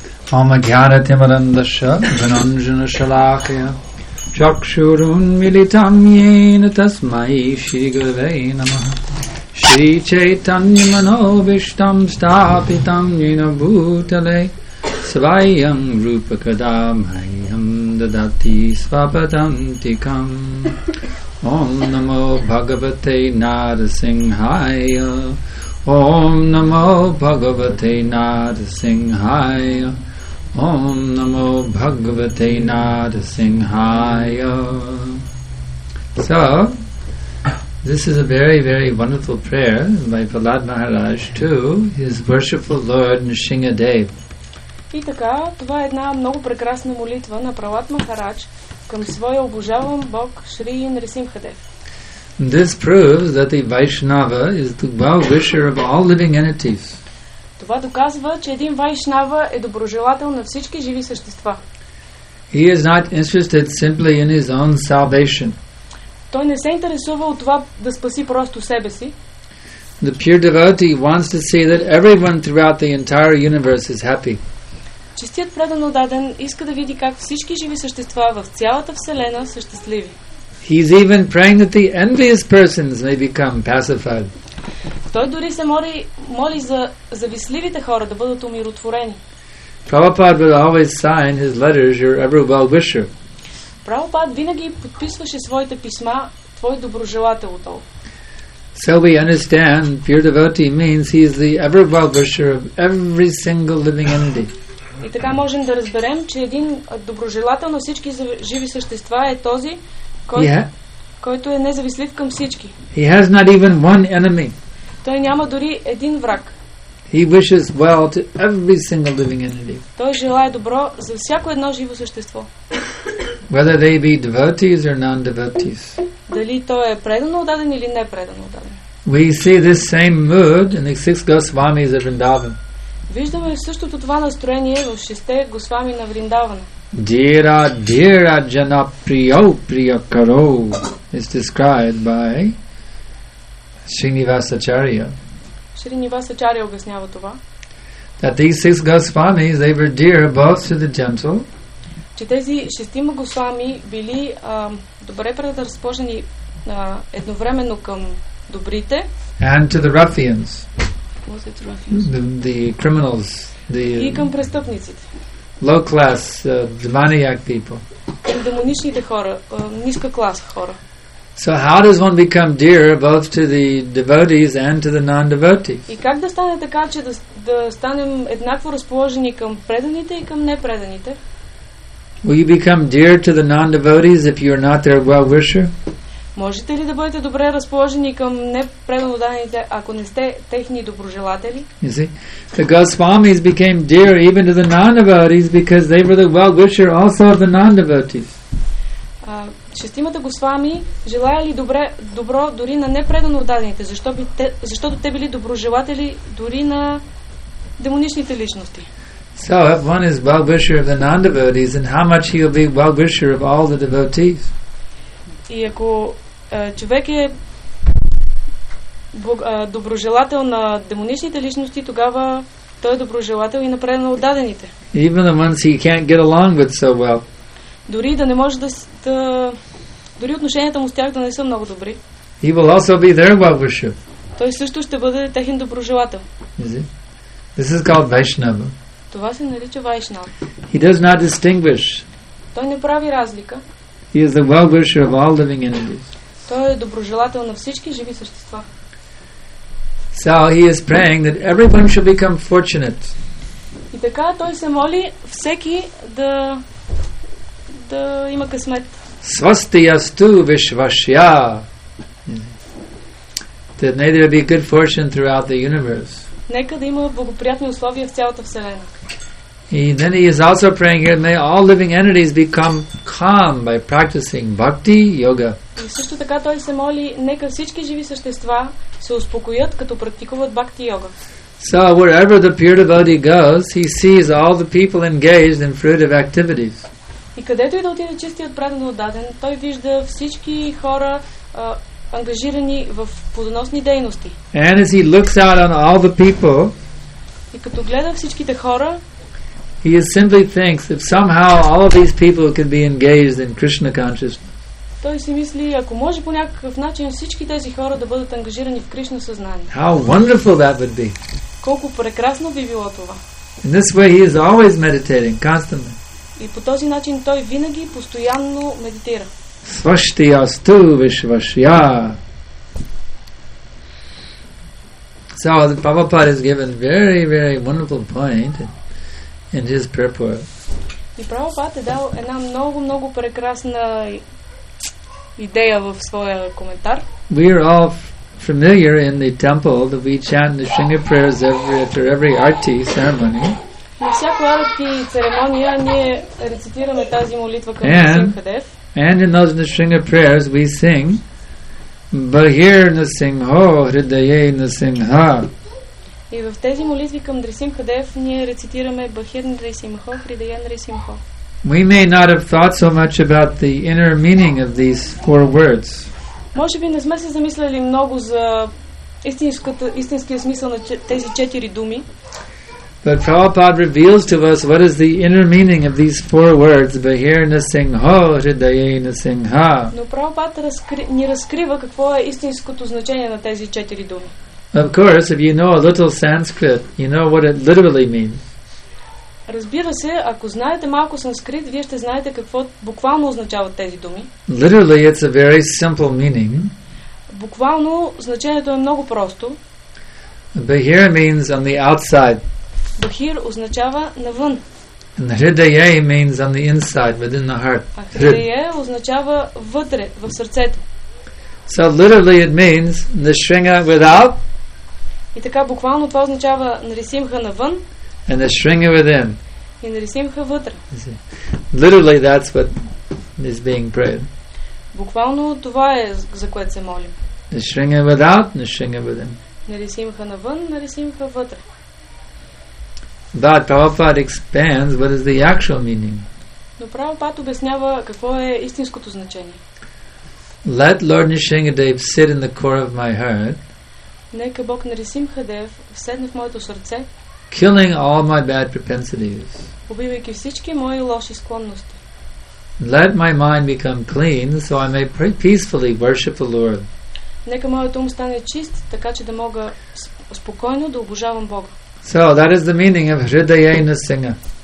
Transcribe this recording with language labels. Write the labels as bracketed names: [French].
[Sanskrit] Ама гяна тимарандаша, гананжана шалахия, чакшурун милитам йена тасмай шигавей намаха, шри чайтанья мановиштам стапитам йена бутале, свайям рупакадамхайям дадати свападантикам. Ом намо бхагавате нарасингхайя, ом намо бхагавате нарасингхайя, Om Namo Bhagavate Narasimhaya. [English] So, this is a very, very wonderful prayer by Pralat Maharaj to his worshipful Lord Nrisimha Dev. [Bulgarian] И така, това е една много прекрасна молитва на Пралат Махарадж към своя обожаван Бог Шри Нрисимха Дев. [English] This proves that the Vaishnava is the well-wisher of all living entities. [Bulgarian] Това доказва, че един вайшнава е доброжелател на всички живи същества. [English] He is not interested simply in his own salvation. [Bulgarian] Той не се интересува от това да спаси просто себе си. [English] The pure devotee wants to see that everyone throughout the entire universe is happy. [Bulgarian] Чистият предано даден иска да види как всички живи същества в цялата вселена са щастливи. [English] He is even praying that the envious persons may become pacified. [Bulgarian] Той дори се моли за завистливите хора да бъдат умиротворени. [English] Prabhupad would always sign his letters, "Your ever well-wisher." [Bulgarian] Prabhupad винаги подписваше своите писма, "Твой доброжелател." [English] So we understand pure devotee means he is the ever well-wisher of every single living entity. [Bulgarian] И така можем да разберем, че един доброжелател на всички живи същества е този, който е независлив към всички. [English] He has not even one enemy. [Bulgarian] Той няма дори един враг. [English] He wishes well to every single living entity. [Bulgarian] Той желае добро за всяко едно живо същество. [English] Whether they be devotees or non-devotees. [Bulgarian] Дали той е предано отдаден или не предано отдаден. [English] We see this same mood in the six Госвамис of Vrindavan. [Bulgarian] Виждаме същото това настроение в шесте Госвами на Вриндавана. [Sanskrit] Dira, dira, jana, priyo, priyo, karo [English] is described by Srinivasacharya. [Bulgarian] Srinivasacharya обяснява това. [English] That these six Госвамис, they were dear both to the gentle. [Bulgarian] Че тези шестима Госвами били добре предразположени едновременно към добрите. [English] And to the ruffians. What's it, ruffians? The criminals. The, [Bulgarian] и към престъпниците. [English] Low class, demoniac people. [Bulgarian] Към демоничните хора, ниска клас хора. [English] So how does one become dear both to the devotees and to the non-devotees? [Bulgarian] И как да стане така, че да станем еднакво разположени към преданите и към непреданите? [English] Will you become dear to the non-devotees if you are not their well-wisher? [Bulgarian] Можете ли да бъдете добре разположени към непреданите, ако не сте техни доброжелатели? [English] You see, the Goswamis became dear even to the non-devotees because they were the well-wisher also of the non-devotees. [Bulgarian] Шестимата Госвами желаяли добро дори на непредано отдадените, защото те били доброжелатели дори на демоничните личности. [English] So if one is well-wisher of the non-devotees, then how much he will be well-wisher of all the devotees? [Bulgarian] И ако човек е доброжелател на демоничните личности, тогава той е доброжелател и на предано отдадените. [English] Even the ones he can't get along with so well. [Bulgarian] Дори да не може да дори отношенията му с тях да не са много добри. [English] He will also be their well-wisher. [Bulgarian] Той също ще бъде техен доброжелател. [English] Is it? This is called Vaishnava. [Bulgarian] Това се нарича Вайшнава. [English] He does not distinguish. [Bulgarian] Той не прави разлика. [English] He is the well-wisher of all living entities. [Bulgarian] Той е доброжелател на всички живи същества. [English] So he is praying that everyone should become fortunate. [Bulgarian] И така той се моли всеки да има късмет. [Sanskrit] Свастиясту вишвашя. [English] That may there be good fortune throughout the universe. [Bulgarian] Нека да има благоприятни условия в цялата вселена. [English] И then he is also praying here, may all living entities become calm by practicing bhakti yoga. [Bulgarian] И също така той се моли, нека всички живи същества се успокоят, като практикуват бхакти йога. [English] So wherever the pure devotee goes, he sees all the people engaged in fruitive activities. [Bulgarian] И където и да отиде чистият предан отдаден, той вижда всички хора ангажирани в плодоносни дейности. [English] And as he looks out on all the people, [Bulgarian] и като гледа всичките хора, [English] he simply thinks if somehow all of these people could be engaged in Krishna consciousness. [Bulgarian] Той си мисли, ако може по някакъв начин всички тези хора да бъдат ангажирани в Кришна съзнание. [English] How wonderful that would be. [Bulgarian] Колко прекрасно би било това. [English] In this way he is always meditating, constantly. [Bulgarian] И по този начин той винаги постоянно медитира. [Sanskrit] Свастиясту вишвашя. [English] So the Prabhupada has given very, very wonderful point in his purport. [Bulgarian] И Прабхупада е дал една много, много прекрасна идея в своя коментар. [English] We are all familiar in the temple that we chant the Shinga prayers after every arti ceremony. [Bulgarian] На всяко арти церемония ние рецитираме тази молитва към Нисимхадев. [English] And in those Nisringa prayers we sing [Sanskrit] Bahir Nisingho Hridaye Nisingha. [Bulgarian] И в тези молитви към Нисимхадев ние рецитираме [Sanskrit] Bahir Nisingho Hridaye Nisingho. [English] We may not have thought so much about the inner meaning of these four words. [Bulgarian] Може би не сме се замисляли много за истинския смисъл на тези четири думи. [English] But Prabhupada reveals to us what is the inner meaning of these four words, [Sanskrit] Bahir Nisingho Hridaye Nisingha. [Bulgarian] Но Прабхупада ни разкрива какво е истинското значение на тези четири думи. [English] Of course, if you know a little Sanskrit, you know what it literally means. [Bulgarian] Разбира се, ако знаете малко санскрит, вие ще знаете какво буквално означават тези думи. [English] Literally, it's a very simple meaning. [Bulgarian] Буквално значението е много просто. [English] Bahir means on the outside. [Bulgarian] Bahir означава навън. [English] And Hridaye means on the inside, within the heart. [Bulgarian] Hridaye означава вътре, в сърцето. [English] So literally it means Nisringa without. [Bulgarian] И така буквално това означава Нарисимха навън. [English] And Nisringa within. [Bulgarian] И Нарисимха вътре. [English] Literally that's what is being prayed. [Bulgarian] Буквално това е за което се молим. [English] Nisringa without, Nisringa within. [Bulgarian] Нарисимха навън, Нарисимха вътре. [English] But Prabhupada expands what is the actual meaning. [Bulgarian] Но Прабхупада обяснява какво е истинското значение. [English] Let Lord Nisringadev sit in the core of my heart. [Bulgarian] Нека Бог Нарисимхадев седне в моето сърце. [English] Killing all my bad propensities. [Bulgarian] Убивайки всички мои лоши склонности. [English] Let my mind become clean so I may peacefully worship the Lord. [Bulgarian] Нека моят ум стане чист, така че да мога спокойно да обожавам Бога. [English] So that is the meaning of Hridayena Singha.